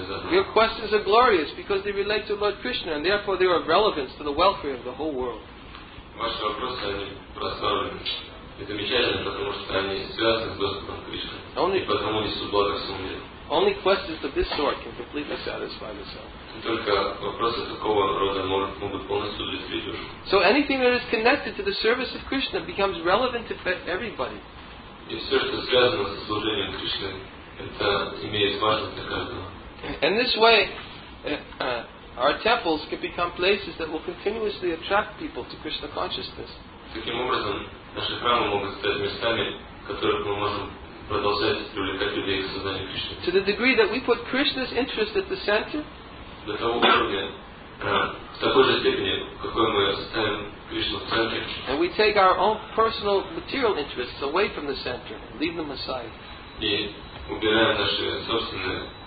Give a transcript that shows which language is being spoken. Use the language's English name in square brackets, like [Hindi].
[English] Your questions are glorious because they relate to Lord Krishna and therefore they are of relevance to the welfare of the whole world. [Russian] Ваши вопросы, они прославлены и замечательны, потому что они связаны с Господом Кришной и потому несут благо всему миру. [English] Only questions of this sort can completely satisfy the soul. [Russian] Только вопросы такого рода могут полностью удовлетворить душу. [English] So anything that is connected to the service of Krishna becomes relevant to everybody. [Russian] И все, что связано со служением Кришны, это имеет важность для каждого. [English] In this way, our temples can become places that will continuously attract people to Krishna consciousness. [Russian] Таким образом, наши храмы могут стать местами, в которых мы можем продолжать привлекать людей к сознанию Кришны. [English] To the degree that we put Krishna's interest at the center, [Russian] до того уровня, в такой же степени, какой мы ставим Кришну в центре, [English] and we take our own personal material interests away from the center and leave them aside. [Russian] И убираем наши собственные